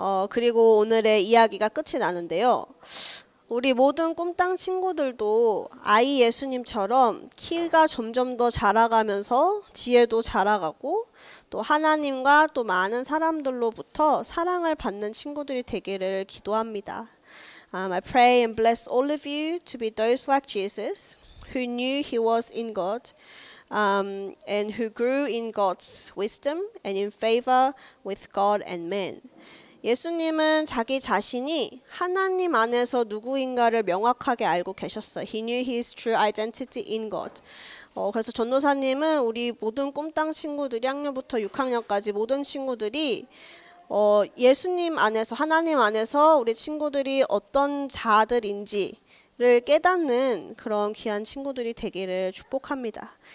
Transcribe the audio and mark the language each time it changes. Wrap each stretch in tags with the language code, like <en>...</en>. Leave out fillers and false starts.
<ko>그리고 오늘의 이야기가 끝이 나는데요. 우리 모든 꿈땅 친구들도 아이 예수님처럼 키가 점점 더 자라가면서 지혜도 자라가고 또 하나님과 또 많은 사람들로부터 사랑을 받는 친구들이 되기를 기도합니다.</ko> <en>I pray and bless all of you to be those like Jesus who knew he was in God and who grew in God's wisdom and in favor with God and men.</en> <ko>예수님은 자기 자신이 하나님 안에서 누구인가를 명확하게 알고 계셨어요.</ko> <en>He knew his true identity in God.</en> <ko>그래서 전도사님은 우리 모든 꿈땅 친구들이 학년부터 6학년까지 모든 친구들이 예수님 안에서 하나님 안에서 우리 친구들이 어떤 자들인지를 깨닫는 그런 귀한 친구들이 되기를 축복합니다.</ko>